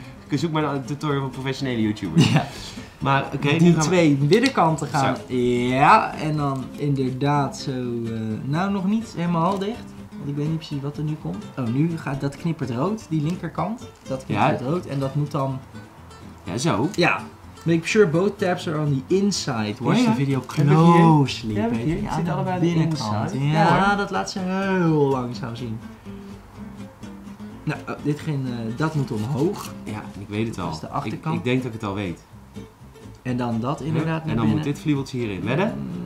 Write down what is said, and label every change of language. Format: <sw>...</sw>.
<nl>Zoek maar een tutorial van professionele YouTubers. Ja. Maar oké. Okay, die gaan twee we... middenkanten gaan. Zo. Ja. En dan inderdaad zo. Nou, nog niet helemaal dicht. Want ik weet niet precies wat er nu komt. Oh, nu gaat dat knippert rood. Die linkerkant. Dat knippert rood. En dat moet dan. Ja, zo. Ja.</nl> <en>Make sure both tabs are on the inside. Watch the video closely.</en> <nl>Ja, zit allebei aan de binnenkant. Ja, ja, dat laat ze heel langzaam zien. Nou, dit ging, dat moet omhoog. Ja, ik weet het al. Dat is de achterkant. Ik denk dat ik het al weet. En dan dat inderdaad. En dan moet dit vliebeltje hierin. Wedden?</nl>